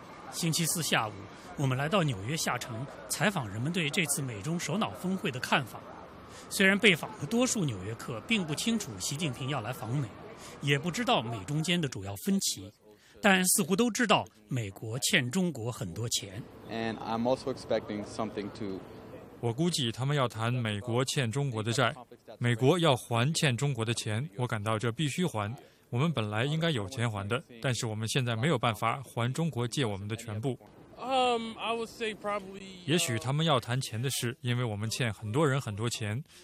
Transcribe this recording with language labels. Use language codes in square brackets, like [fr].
[zh] 星期四下午，我们来到纽约下城采访人们对这次美中首脑峰会的看法。虽然被访的多数纽约客并不清楚习近平要来访美，也不知道美中间的主要分歧，但似乎都知道美国欠中国很多钱。 [en] And I'm also expecting something too. [zh] 我估计他们要谈美国欠中国的债，美国要还欠中国的钱，我感到这必须还。我们本来应该有钱还的，但是我们现在没有办法还中国借我们的全部。也许他们要谈钱的事，因为我们欠很多人很多钱。